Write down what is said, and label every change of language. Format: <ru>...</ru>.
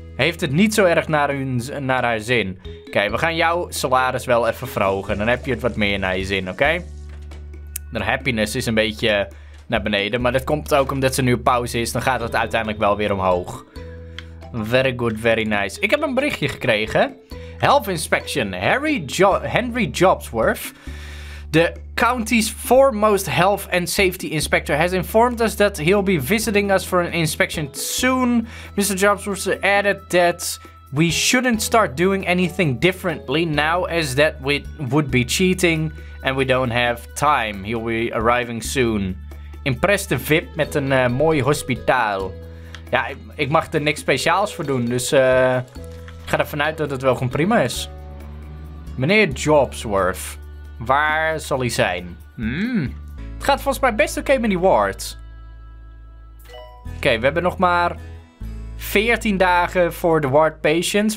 <nl>Heeft het niet zo erg naar haar zin. Oké, we gaan jouw salaris wel even verhogen. Dan heb je het wat meer naar je zin, oké? De happiness is een beetje naar beneden. Maar dat komt ook omdat ze nu op pauze is. Dan gaat het uiteindelijk wel weer omhoog.</nl> <en>Very good, very nice.</en> <nl>Ik heb een berichtje gekregen.</nl> <en>Health Inspection. Henry Jobsworth. De county's foremost health and safety inspector has informed us that he'll be visiting us for an inspection soon. Mr. Jobsworth added that we shouldn't start doing anything differently now as that we would be cheating and we don't have time. He'll be arriving soon. Impressed the VIP</en> <nl>met een mooi hospitaal. Ja, ik mag er niks speciaals voor doen, dus ik ga ervan uit dat het wel gewoon prima is. Meneer Jobsworth. Waar zal hij zijn? Het gaat volgens mij best oké met die ward. Oké, we hebben nog maar 14 dagen voor de ward patients.</nl>